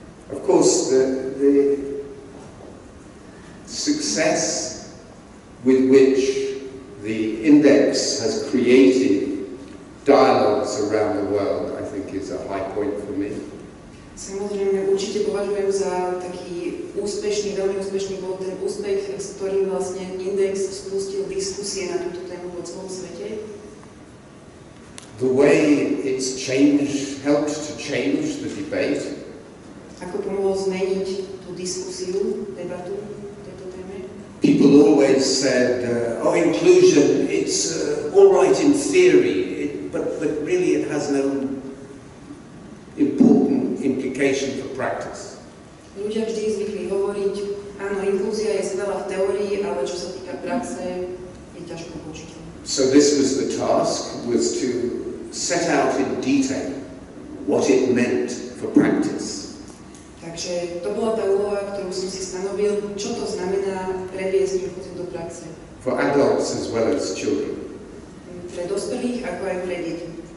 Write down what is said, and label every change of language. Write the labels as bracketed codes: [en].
[en] Of course the success with which the index has created dialogues around the world, I think, is a high point for me. [sk] Samozrejme, určite považujem za taký úspešný, veľmi úspešný bol ten úspech, s ktorým vlastne index spustil diskusie na túto tému po celom svete. [en] The way it's changed, helped to change the debate. [sk] Ako pomohlo zmeniť tú diskusiu, debatu tejto téme? [en] People always said, inclusion, it's all right in theory, but really it has no important implication for practice. [sk] Ľudia vždy zvykli hovoriť, áno, inklúzia je skvelá v teórii, ale čo sa týka praxe, je ťažko použiť. [en] So this was the task, was to set out in detail what it meant for practice. [sk] Takže to bola tá úloha, ktorú som si stanovil, čo to znamená previesť inklúziu do praxe. [en] For adults as well as children. [sk] Pre dospelých, ako aj pre deti.